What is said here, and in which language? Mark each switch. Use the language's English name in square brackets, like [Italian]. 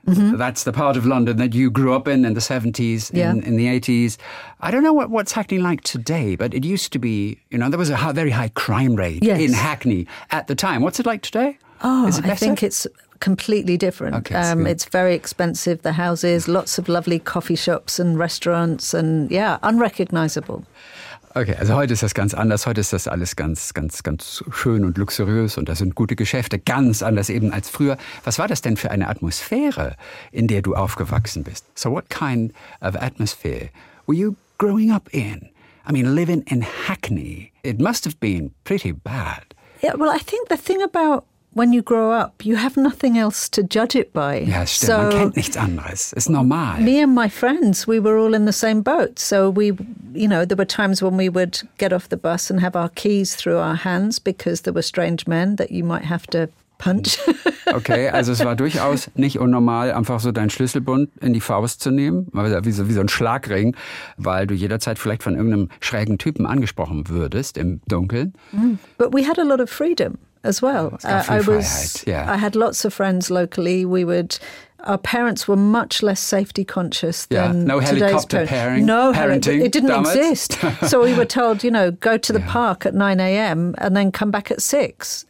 [English] That's the part of London that you grew up in the 70s, in the 80s. I don't know what's Hackney like today, but it used to be, you know, there was a very high crime rate in Hackney at the time. What's it like today? Oh, is it better? I think it's completely different. Okay, it's very expensive, the houses, lots of lovely coffee shops and restaurants and, yeah, unrecognizable. [German] Okay, also heute ist das ganz anders. Heute ist das alles ganz, ganz, ganz schön und luxuriös und da sind gute Geschäfte. Ganz anders eben als früher. Was war das denn für eine Atmosphäre, in der du aufgewachsen bist? [English] So what kind of atmosphere were you growing up in? I mean, living in Hackney, it must have been pretty bad. Yeah, well, I think the thing about when you grow up, you have nothing else to judge it by. [German] Ja, stimmt. So, man kennt nichts anderes. [English] It's normal. Me and my friends, we were all in the same boat. So we, you know, there were times when we would get off the bus and have our keys through our hands because there were strange men that you might have to punch. [German] Okay, also es war durchaus nicht unnormal, einfach so deinen Schlüsselbund in die Faust zu nehmen, wie so ein Schlagring, weil du jederzeit vielleicht von irgendeinem schrägen Typen angesprochen würdest im Dunkeln. [English] But we had a lot of freedom as well. I had lots of friends locally. Our parents were much less safety conscious than today's parents. No parenting. It didn't exist. So we were told, you know, go to the park at 9 a.m. and then come back at 6.